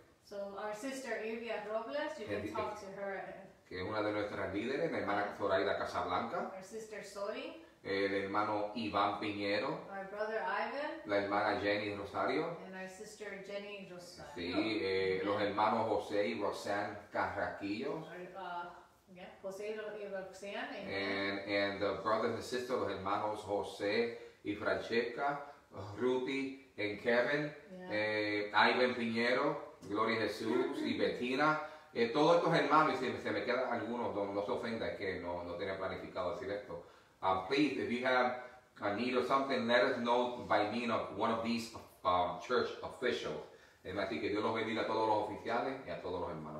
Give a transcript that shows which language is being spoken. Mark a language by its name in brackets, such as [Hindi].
[English] So our sister Ilvia Robles, you can talk to her. [Spanish] Que es una de nuestras líderes, la hermana Zoraida Casablanca. [English] Our sister Sori. [Spanish] El hermano Iván Piñero. [English] Our brother Ivan. [Spanish] La hermana Jenny Rosario. [English] And our sister Jenny Rosario. [Spanish] Sí, los hermanos José y Roxanne Carraquillo. José y Roxanne. [English] And the brothers and sisters, [Spanish] los hermanos [English] José y Francesca, Ruthy and Kevin, yeah. [Spanish] Ivan Piñero, Gloria a Jesús y Bettina. Todos estos hermanos, y si se me quedan algunos, no se ofenda, es que no tenía planificado decir esto. [English] Please, if you have a need or something, let us know by means of one of these church officials. [Spanish] Así que Dios los bendiga a todos los oficiales y a todos los hermanos.